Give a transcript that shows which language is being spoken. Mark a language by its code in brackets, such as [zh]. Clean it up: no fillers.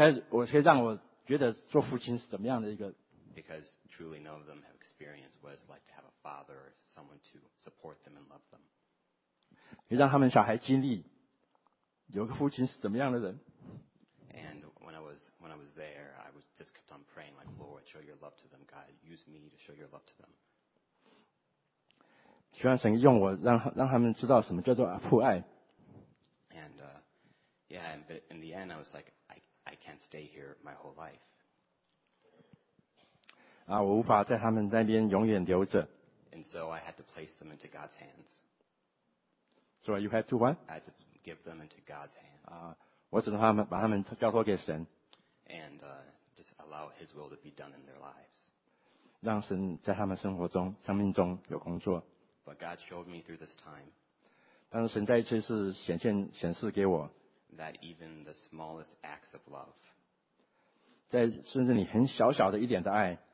[zh] 我可以让我觉得做父亲是怎么样的一个。 [en] Because truly none of them have experienced what it's like to have a father or someone to support them and love them. And when I was there, I was just kept on praying, like, Lord, show your love to them. God, use me to show your love to them. But in the end, I was like, I can't stay here my whole life. [zh] 我无法在他们那边永远留着。 [en] And so I had to place them into God's hands. So you had to what? I had to give them into God's hands. [zh] 我只能把他们交托给神。 [en] And just allow His will to be done in their lives. [zh] 让神在他们生活中、生命中有工作。 [en] But God showed me through this time. [zh] 但是神再一次显现、显示给我。 [en] That even the smallest acts of love. [zh] 在甚至你很小小的一点的爱。